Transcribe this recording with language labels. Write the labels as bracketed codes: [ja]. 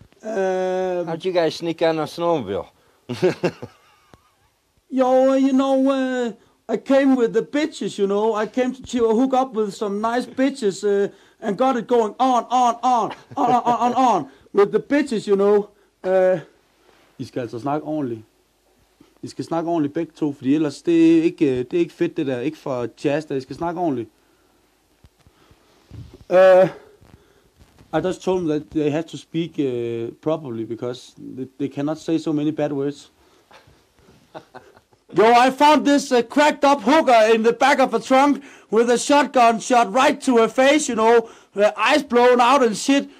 [en] How'd you guys sneak on a snowmobile? Yo, you know, I came with the bitches, you know. I came to hook up with some nice bitches and got it going on with the bitches, you know. [da] I skal altså snakke ordentligt. I skal snakke ordentligt begge to, fordi ellers det er ikke fedt det der. Ikke for Chaz, der I skal snakke ordentligt. [en] I just told them that they have to speak properly because they cannot say so many bad words. Yo, I found this cracked up hooker in the back of a trunk with a shotgun shot right to her face, you know, her eyes blown out and shit.